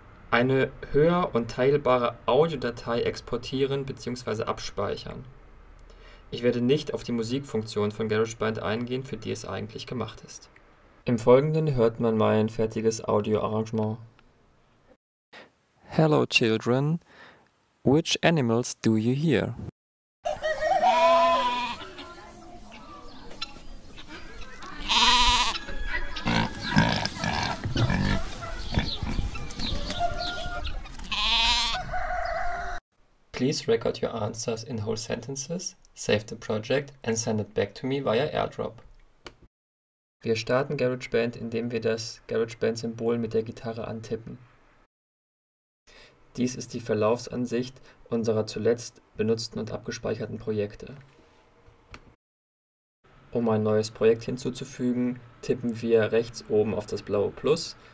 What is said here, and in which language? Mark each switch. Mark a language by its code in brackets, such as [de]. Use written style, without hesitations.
[de] Eine Hör- und teilbare Audiodatei exportieren bzw. abspeichern. Ich werde nicht auf die Musikfunktion von GarageBand eingehen, für die es eigentlich gemacht ist. Im Folgenden hört man mein fertiges Audioarrangement. [en] Hello, children. Which animals do you hear? Please record your answers in whole sentences, save the project and send it back to me via AirDrop. [de] Wir starten GarageBand, indem wir das GarageBand-Symbol mit der Gitarre antippen. Dies ist die Verlaufsansicht unserer zuletzt benutzten und abgespeicherten Projekte. Um ein neues Projekt hinzuzufügen, tippen wir rechts oben auf das blaue Plus.